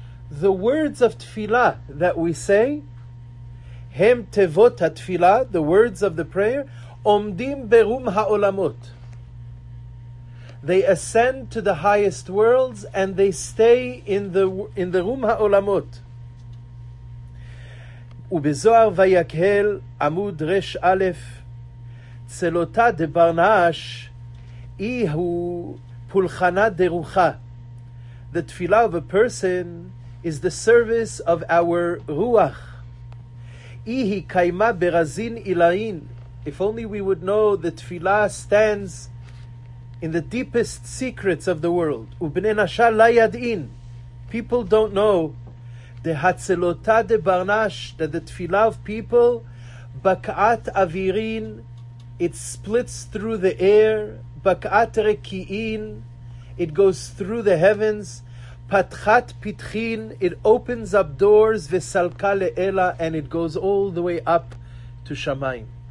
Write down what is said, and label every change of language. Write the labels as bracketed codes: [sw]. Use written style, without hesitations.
[en] The words of tefillah that we say, [he] hem tevot ha'tefillah, [en] the words of the prayer, [he] omdim berum ha'olamot. [en] They ascend to the highest worlds and they stay in the rum ha'olamot. [arc] ובזוהר ויקהל עמוד רש א' צלותה דברנש אי הוא פולחנה דרוחה. [en] the tefillah of a person is the service of our ruach. [arc] Ihi kaima berazin ilain. [en] If only we would know the tefillah stands in the deepest secrets of the world. [arc] Ubnei nashal layadin. [en] People don't know the [arc] hatzelota de barnash, [en] that the tefillah of people, [arc] bakat avirin, [en] it splits through the air, [arc] bakat rekiin, [en] it goes through the heavens, [arc] patchat pitchin, [en] it opens up doors, [arc] vesalka le'ela, [en] and it goes all the way up to Shamayim.